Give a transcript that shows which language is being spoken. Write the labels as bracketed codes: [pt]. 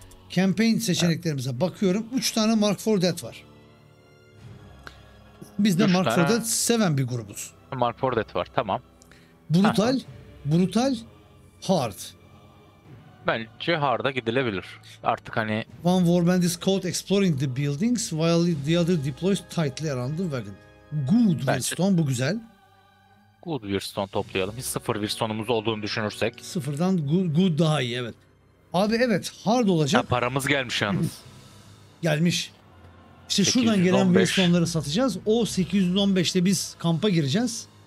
[tr] Campaign seçeneklerimize evet. Bakıyorum. 3 tane Mark for Dead var. Biz de Mark for Dead seven bir grubuz. Mark for Dead var. Tamam. Brutal. Brutal. Hard. Bence hard'a gidilebilir. Artık hani... [en] One warband is caught exploring the buildings while the other deploys tightly around the wagon. [tr] Good Wearstone, bu güzel. Good Wearstone toplayalım. Hiç sıfır Wearstone'umuz olduğunu düşünürsek. Sıfırdan good daha iyi, evet. Abi evet, hard olacak. Ya paramız gelmiş yalnız. Gelmiş. İşte şuradan gelen Wearstone'ları satacağız. O 815'te biz kampa gireceğiz.